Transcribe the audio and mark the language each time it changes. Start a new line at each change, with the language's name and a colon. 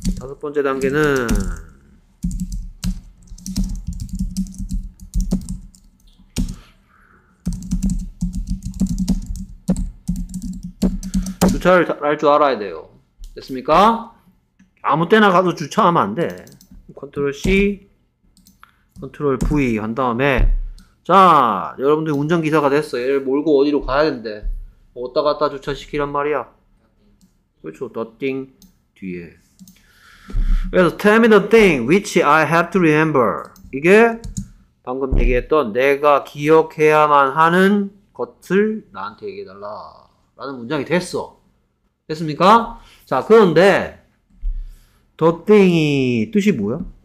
Korean: 다섯 번째 단계는 주차를 할 줄 알아야 돼요. 됐습니까? 아무 때나 가도 주차하면 안 돼. 컨트롤 C, 컨트롤 V 한 다음에 자, 여러분들 운전기사가 됐어. 얘를 몰고 어디로 가야 된대. 어디다 갖다 주차시키란 말이야. 그렇죠.
English: The thing
Korean: 뒤에.
English: 그래서 tell me the thing which I have to remember.
Korean: 이게 방금 얘기했던 내가 기억해야만 하는 것을 나한테 얘기해달라 라는 문장이 됐어. 됐습니까? 자, 그런데 더 땡이 뜻이 뭐야?